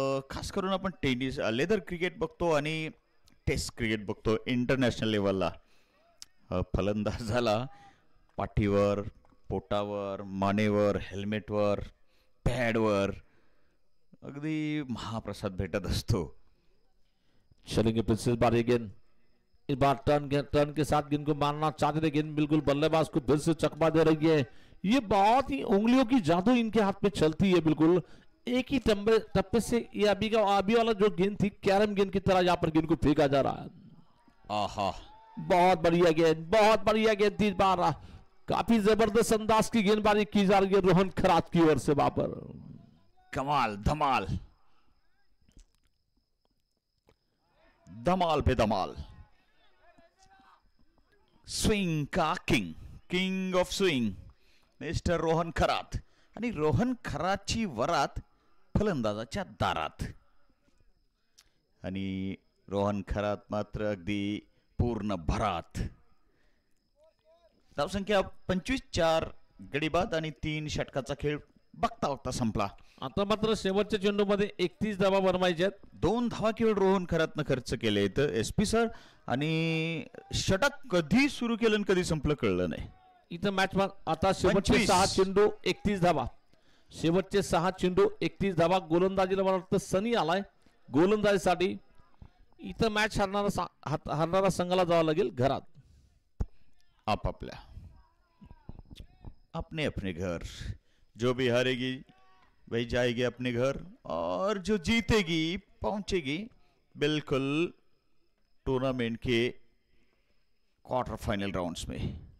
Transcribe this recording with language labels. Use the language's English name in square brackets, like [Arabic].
[Marathi] खास करून आपण टेनिस लेदर क्रिकेट बघतो आणि टेस्ट क्रिकेट बघतो इंटरनॅशनल लेव्हलला फलंदाजाला पाठीवर पोटावर मानेवर हेल्मेटवर पॅडवर अगदी महाप्रसाद भेटत असतो। [Hindi] चलेंगे फिर से इस बार गेंद इस बार टर्न के साथ गेंद को मारना चाहते थे गेंद बिल्कुल बल्लेबाज को फिर से चकमा दे रही है। ये बहुत ही उंगलियों की जादू इनके हाथ में चलती है बिल्कुल एक ही टप्पे से ये अभी का अभी वाला जो गेंद थी कैरम गेंद की तरह यहाँ पर गेंद को फेंका जा रहा है। आहा बहुत बढ़िया गेंद इस बार काफी जबरदस्त अंदाज की गेंदबाजी की जा रही है रोहन खरात की ओर से वहां पर कमाल धमाल धमाल पे धमाल स्विंग का king [English] king of swing [Marathi] mister Rohan Kharat आणि रोहन खरातची वरात फलंदाजाच्या दारात आणि रोहन खरात मात्र अगदी पूर्ण भरात धावसंख्या 25 चार गडीबाद आणि 3 षटकाचा खेळ बघता बघता संपला। आता मात्र शेवटच्या चेंडूमध्ये 31 धावा बनवायच्या आहेत 2 धावा केवळ रोहन खरातनं खर्च केले तर एसपी सर आणि षटक कधी सुरू केलं आणि कधी संपलं कळलं नाही इथं मॅच आता शेवटचे 6 चेंडू 31 धावा शेवटचे 6 चेंडू 31 धावा गोलंदाजीला मला वाटतं सनी आलाय गोलंदाजीसाठी इथं मॅच हरणारा संघाला जावं लागेल घरात [Hindi] आपापल्या अपने अपने घर जो भी हारेगी वही जाएगी अपने घर और जो जीतेगी पहुंचेगी बिल्कुल टूर्नामेंट के क्वार्टर फाइनल राउंड्स में।